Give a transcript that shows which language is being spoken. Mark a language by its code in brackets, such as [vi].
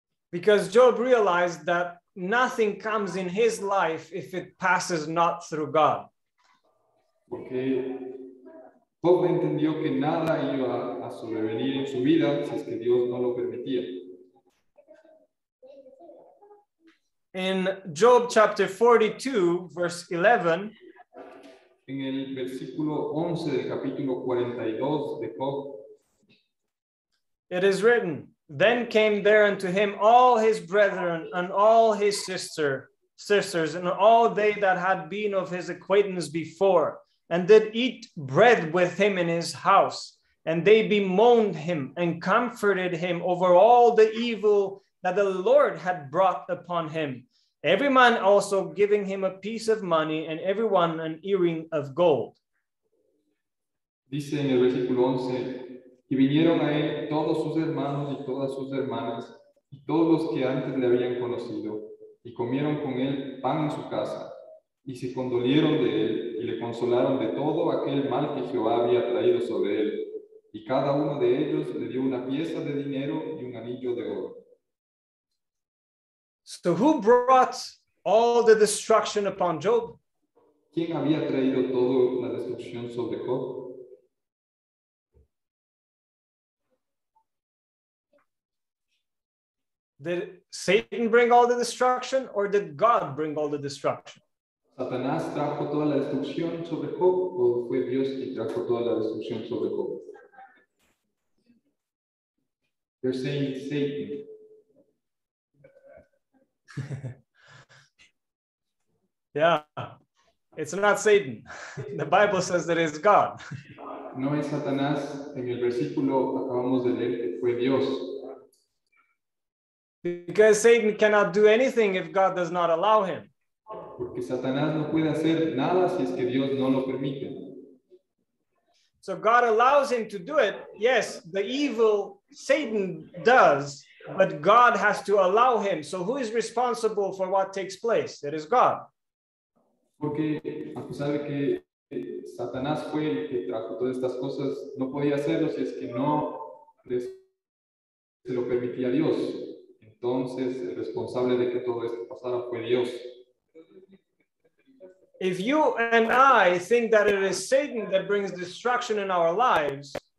[en] Because Job realized that nothing comes in his life if it passes not through God. [es] Porque Job entendió que nada iba a sobrevenir en su vida si es que Dios no lo permitía. [en] In Job chapter 42, verse 11. [es] En el versículo 11 del capítulo 42 de Job. [en] It is written. Then came there unto him all his brethren and all his sisters and all they that had been of his acquaintance before, and did eat bread with him in his house. And they bemoaned him and comforted him over all the evil that the Lord had brought upon him. Every man also giving him a piece of money and every one an earring of gold. [es] Dice en el versículo 11. Y vinieron a él todos sus hermanos y todas sus hermanas, y todos los que antes le habían conocido, y comieron con él pan en su casa, y se condolieron de él, y le consolaron de todo aquel mal que Jehová había traído sobre él, y cada uno de ellos le dio una pieza de dinero y un anillo de oro. [en] So who brought all the destruction upon Job? [es] ¿Quién había traído toda la destrucción sobre Job? [en] Did Satan bring all the destruction, or did God bring all the destruction? [es] Satanás trajo toda la destrucción sobre Job, o fue Dios quien trajo toda la destrucción sobre Job? [en] You're saying Satan. Yeah, it's not Satan. The Bible says that it's God. [es] No es Satanás. En el versículo acabamos de leer que fue Dios. [en] Because Satan cannot do anything if God does not allow him. [es] Porque Satanás no puede hacer nada si es que Dios no lo permite. [en] So God allows him to do it. Yes, the evil Satan does, but God has to allow him. So who is responsible for what takes place? It is God. [es] Porque a pesar de que Satanás fue el que trajo todas estas cosas, no podía hacerlo si es que no se lo permitía Dios. Entonces, el responsable de que todo esto pasara fue Dios. [en] If you and I think that it is Satan that brings destruction in our lives,